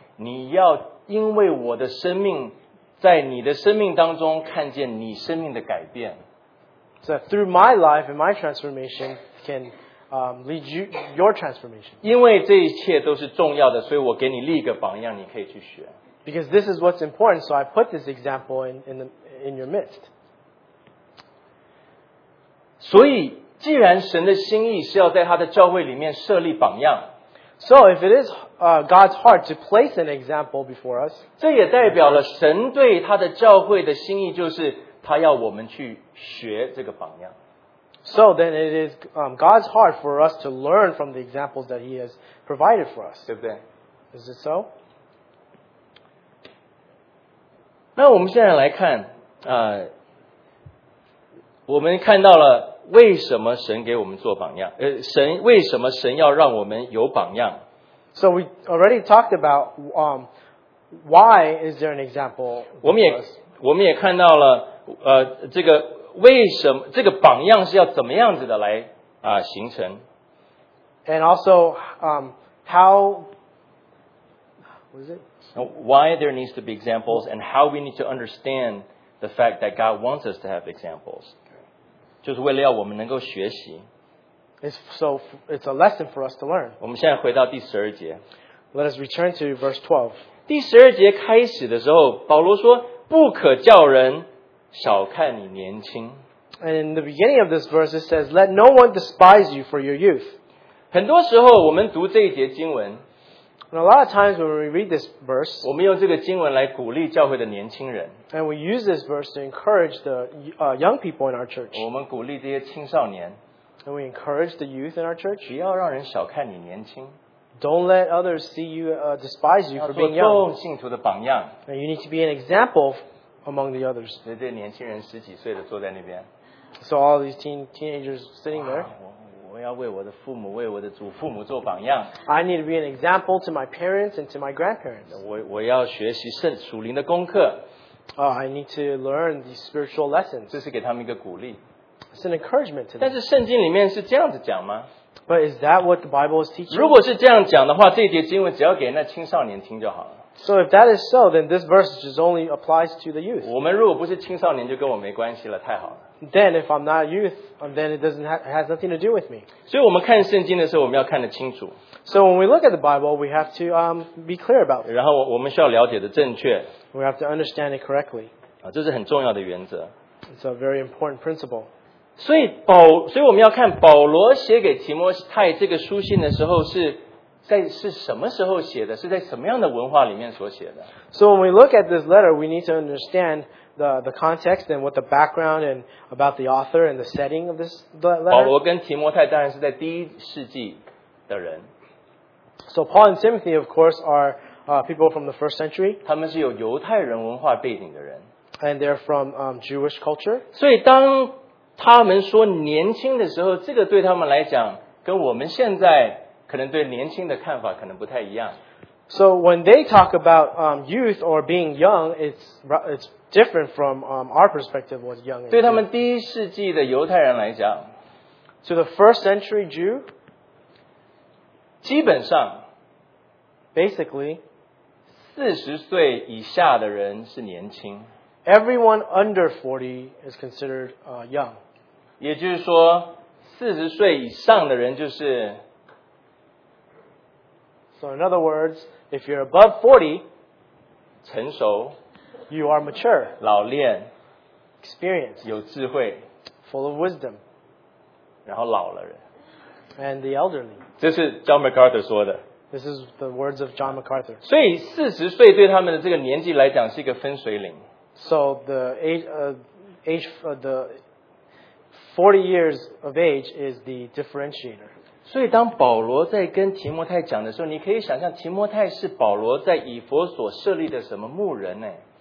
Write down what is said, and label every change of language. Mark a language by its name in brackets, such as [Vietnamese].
[Chinese] 你要因为我的生命在你的生命当中看见你生命的改变。 [English] So through my life and my transformation can lead you your transformation. [Chinese] 因为这一切都是重要的所以我给你立个榜样你可以去学。 [English] Because this is what's important so I put this example in your midst. [Chinese] 所以既然神的心意是要在他的教会里面设立榜样。 [English] So if it is God's heart to place an example before us, [Chinese] 这也代表了神对他的教会的心意就是他要我们去学这个榜样。 [English] So then it is God's heart for us to learn from the examples that he has provided for us. [Chinese] 对不对? [English] Is it so? [Chinese] 那我们现在来看我们看到了为什么神给我们做榜样？神为什么神要让我们有榜样 [English] ？So we already talked about why is there an example? [Chinese] 我们也看到了这个为什么这个榜样是要怎么样子的来形成 [English] ？And also how was it? Why there needs to be examples and how we need to understand the fact that God wants us to have examples. [Chinese] 就是为了要我们能够学习。 [English] It's a lesson for us to learn. [Chinese] 我们现在回到第十二节。 [English] Let us return to verse 12. [Chinese] 第十二节开始的时候，保罗说：“不可叫人小看你年轻。” [English] And in the beginning of this verse, it says, "Let no one despise you for your youth." [Chinese] 很多时候，我们读这一节经文 [English] ，And a lot of times when we read this verse, [Chinese] 我们用这个经文来鼓励教会的年轻人。 [English] And we use this verse to encourage the young people in our church. [Chinese] 我们鼓励这些青少年。 [English] And we encourage the youth in our church. [Chinese] 不要让人小看你年轻。 [English] Don't let others see you, despise you for being young. [Chinese] 要做众信徒的榜样。 [English] And you need to be an example among the others. [Chinese] 这些年轻人十几岁的坐在那边。 [English] So all these teenagers sitting there. [Chinese] 我要为我的父母，为我的祖父母做榜样。 [English] I need to be an example to my parents and to my grandparents. [Chinese] 我要学习圣属灵的功课。 [English] I need to learn these spiritual lessons. [Chinese] 这是给他们一个鼓励。 [English] It's an encouragement to them. [Chinese] 但是圣经里面是这样子讲吗？ [English] But is that what the Bible is teaching? [Chinese] 如果是这样讲的话，这一节经文只要给那青少年听就好了。 [English] So if that is so, then this verse just only applies to the youth. [Chinese] 我们如果不是青少年，就跟我没关系了，太好了。 [English] Then if I'm not youth, then it doesn't has nothing to do with me. [Chinese] 所以我们看圣经的时候，我们要看得清楚。 [English] So when we look at the Bible, we have to be clear about it. [Chinese] 然后我们需要了解的正确。 [English] We have to understand it correctly. [Chinese] 这是很重要的原则。 [English] It's a very important principle. [Chinese] 所以我们要看保罗写给提摩太这个书信的时候是什么时候写的？是在什么样的文化里面所写的 [English] ？So when we look at this letter, we need to understand the context and what the background and about the author and the setting of this letter. [Chinese] 保罗跟提摩太当然是在第一世纪的人。 [English] So Paul and Timothy, of course, are people from the first century. [Chinese] 他们是有犹太人文化背景的人。 [English] And they're from Jewish culture. [Chinese] 所以当他们说年轻的时候，这个对他们来讲，跟我们现在可能对年轻的看法可能不太一样。 [English] So when they talk about youth or being young, it's different from our perspective what young is. [Chinese] 对他们第一世纪的犹太人来讲 [English] ，to the first century Jew, [Chinese] 基本上 [English] ，basically, [Chinese] 四十岁以下的人是年轻。 [English] Everyone under 40 is considered young. [Chinese] 也就是说，四十岁以上的人就是。 [English] So in other words, if you're above 40, [Chinese] 成熟 [English] you are mature, [Chinese] 老练 [English] experienced, [Chinese] 有智慧 [English] full of wisdom, [Chinese] 然后老了人 [English] and the elderly. [Chinese] 这是 John MacArthur 说的。 [English] This is the words of John MacArthur. [Chinese] 所以四十岁对他们的这个年纪来讲是一个分水岭。 [English] So the age, the 40 years of age is the differentiator. [Chinese] 所以当保罗在跟提摩太讲的时候，你可以想象提摩太是保罗在以弗所设立的什么牧人呢